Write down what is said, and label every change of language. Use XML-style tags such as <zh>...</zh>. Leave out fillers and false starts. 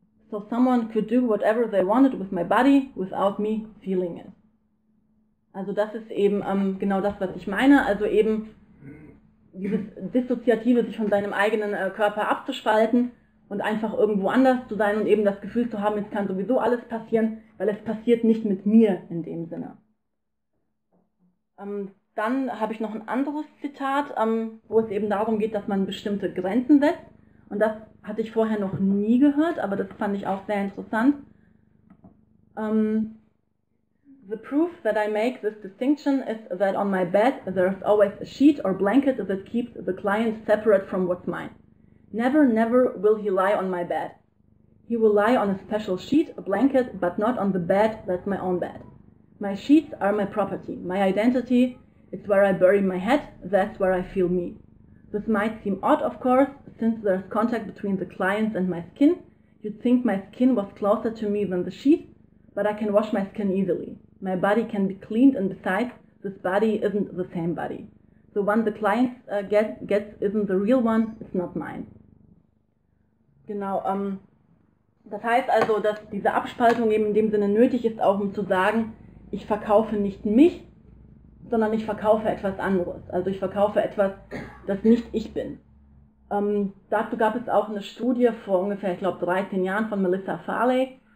<en>So someone could do whatever they wanted with my body, without me feeling it.</en> <de>Also das ist eben genau das, was ich meine, also eben dieses Dissoziative, sich von seinem eigenen Körper abzuspalten und einfach irgendwo anders zu sein und eben das Gefühl zu haben, es kann sowieso alles passieren, weil es passiert nicht mit mir in dem Sinne. Dann habe ich noch ein anderes Zitat, wo es eben darum geht, dass man bestimmte Grenzen setzt. Und das hatte ich vorher noch nie gehört, aber das fand ich auch sehr interessant.</de> <en>The proof that I make this distinction is that on my bed there is always a sheet or blanket that keeps the client separate from what's mine. Never, never will he lie on my bed. He will lie on a special sheet, a blanket, but not on the bed that's my own bed. My sheets are my property, my identity, it's where I bury my head, that's where I feel me. This might seem odd, of course, since there's contact between the clients and my skin. You'd think my skin was closer to me than the sheet, but I can wash my skin easily. My body can be cleaned, and besides, this body isn't the same body. The one the client gets isn't the real one, it's not mine.</en> <de>Genau, das heißt also, dass diese Abspaltung eben in dem Sinne nötig ist, auch um zu sagen, ich verkaufe nicht mich, sondern ich verkaufe etwas anderes. Also ich verkaufe etwas, das nicht ich bin. Dazu gab es auch eine Studie vor ungefähr, ich glaube, 13 Jahren von Melissa Farley.</de>